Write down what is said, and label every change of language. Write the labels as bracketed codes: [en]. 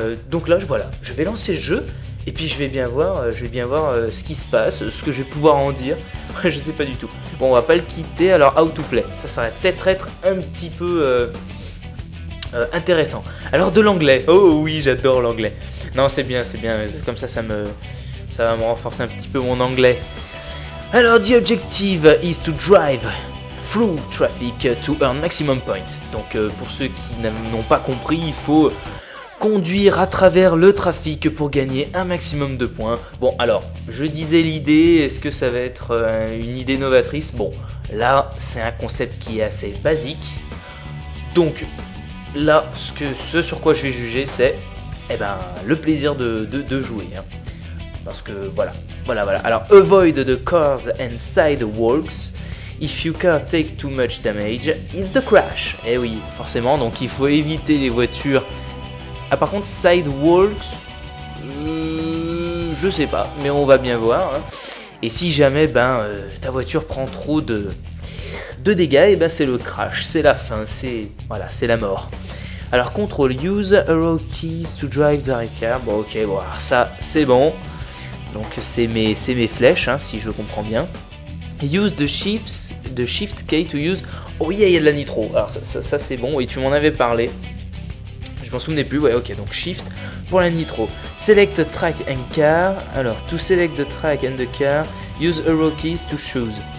[fr] Donc là, voilà, je vais lancer le jeu. Et puis je vais bien voir ce qui se passe, ce que je vais pouvoir en dire. Je sais pas du tout. Bon, on va pas le quitter. Alors, [en] How to Play. [fr] Ça va peut-être être un petit peu intéressant. Alors, de l'anglais. Oh oui, j'adore l'anglais. Non, c'est bien. Comme ça, ça va me renforcer un petit peu mon anglais. Alors, [en] the objective is to drive through traffic to earn maximum points. [fr] Donc, pour ceux qui n'ont pas compris, il faut conduire à travers le trafic pour gagner un maximum de points. Bon, alors, je disais l'idée, est-ce que ça va être une idée novatrice? Bon, là, c'est un concept qui est assez basique. Donc, là, ce sur quoi je vais juger, c'est le plaisir de jouer. Hein. Parce que, voilà, Voilà, voilà. Alors, [en] avoid the cars and sidewalks. If you can't take too much damage, it's the crash. [fr] Eh oui, forcément, donc il faut éviter les voitures. Ah, par contre, sidewalks, je sais pas, mais on va bien voir. Hein. Et si jamais, ben, ta voiture prend trop de dégâts, et ben, c'est le crash, c'est la fin, c'est, voilà, c'est la mort. Alors, [en] control, use arrow keys to drive the car. [fr] Bon, ok, bon, ça, c'est bon. Donc, c'est mes flèches, hein, si je comprends bien. [en] Use the shift key to use... Oh yeah, [fr] il y a de la nitro. Alors, ça c'est bon, oui, tu m'en avais parlé. Je m'en souvenais plus, ouais, ok, donc shift pour la nitro. [en] Select track and car. [fr] Alors, [en] to select the track and the car, use arrow keys to choose.